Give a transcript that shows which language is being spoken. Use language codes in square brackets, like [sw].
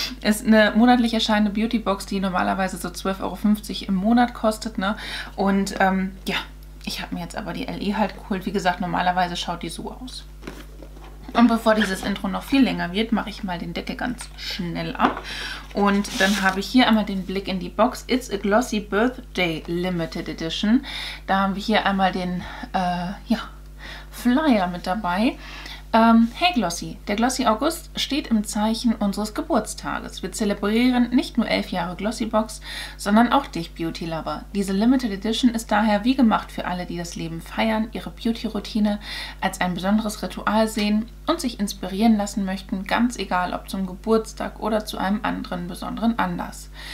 [de] Ist eine monatlich erscheinende Beauty Box, die normalerweise so 12,50 Euro im Monat kostet, ne? Und ja, ich habe mir jetzt aber die LE halt geholt. Wie gesagt, normalerweise schaut die so aus. Und bevor dieses Intro noch viel länger wird, mache ich mal den Deckel ganz schnell ab. Und dann habe ich hier einmal den Blick in die Box. [en] It's a Glossy Birthday Limited Edition. [de] Da haben wir hier einmal den ja, Flyer mit dabei. Hey Glossy, der Glossy August steht im Zeichen unseres Geburtstages. Wir zelebrieren nicht nur 11 Jahre Glossy Box, sondern auch dich, Beauty Lover. Diese Limited Edition ist daher wie gemacht für alle, die das Leben feiern, ihre Beauty-Routine als ein besonderes Ritual sehen und sich inspirieren lassen möchten, ganz egal ob zum Geburtstag oder zu einem anderen besonderen Anlass.